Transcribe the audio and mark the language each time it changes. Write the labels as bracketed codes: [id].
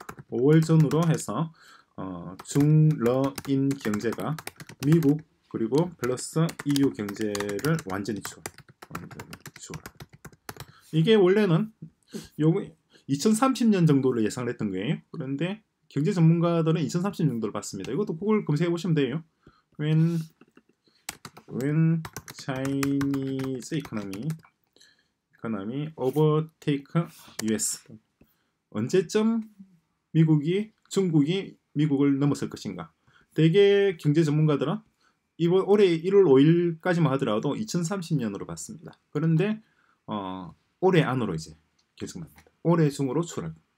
[ko] 5월 전으로 해서 중러인 경제가 미국 그리고 플러스 EU 경제를 완전히 추월. 이게 원래는 2030년 정도를 예상을 했던 거예요. 그런데 경제 전문가들은 2030년 정도를 봤습니다. 이것도 구글 검색해 보시면 돼요. [en] When Chinese economy overtake US. [ko] 언제쯤 미국이 중국을 넘었을 것인가? 대개 경제 전문가들은 이번 올해 1월 5일까지만 하더라도 2030년으로 봤습니다. 그런데 올해 안으로 이제 계속 만듭니다. 올해 중으로 추락.